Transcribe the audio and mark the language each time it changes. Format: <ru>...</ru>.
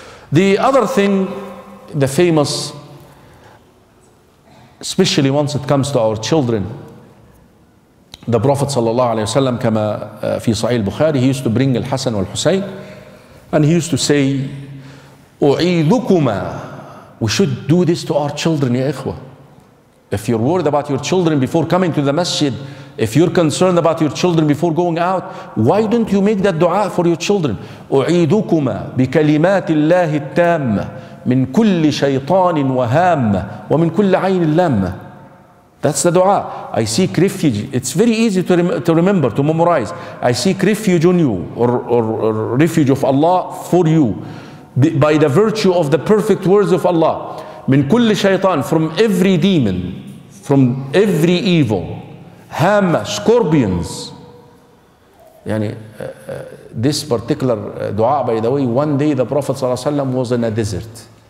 <en>The other thing, the famous, especially once it comes to our children, the Prophet sallallahu alaihi wasallam, kama fi Sahih Bukhari, he used to bring Al Hasan wal Husayn, and he used to say,</en> <ar>"U'idukuma."</ar> <en>We should do this to our children, ya ikhwa. If you're worried about your children before coming to the masjid, if you're concerned about your children before going out, why don't you make that dua for your children?</en> <ar>أعيدكما بكلمات الله التام من كل شيطان وهام ومن كل عين لام.</ar> <en>That's the dua. I seek refuge. It's very easy to remember, to memorize. I seek refuge on you, or refuge of Allah for you, by the virtue of the perfect words of Allah.</en> <ar>من كل شيطان,</ar> <en>from every demon, from every evil. هامة, scorpions. يعني this particular dua, by the way, one day the Prophet</en> <ar>صلى الله عليه وسلم</ar> <en>was in a desert.</en>